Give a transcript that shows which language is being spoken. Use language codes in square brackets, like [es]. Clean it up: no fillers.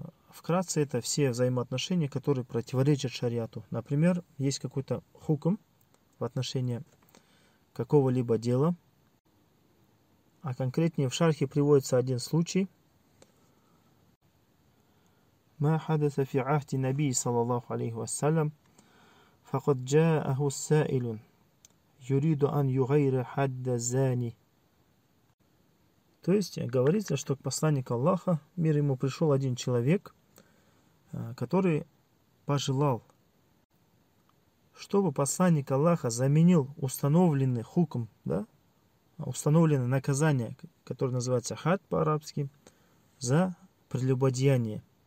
[ru] Вкратце, это все взаимоотношения, которые противоречат шариату. Например, есть какой-то хукм в отношении какого-либо дела, а конкретнее в шархе приводится один случай. [ar] ما حدث في عهد النبي صلى الله عليه وسلم فقد جاءه السائل يريد أن يغير حد الزاني. [ru] То есть говорится, что к посланнику Аллаха, мир ему, пришел один человек, который пожелал, чтобы посланник Аллаха заменил установленный хукм, да, установленное наказание, которое называется хад по-арабски, за прелюбодеяние.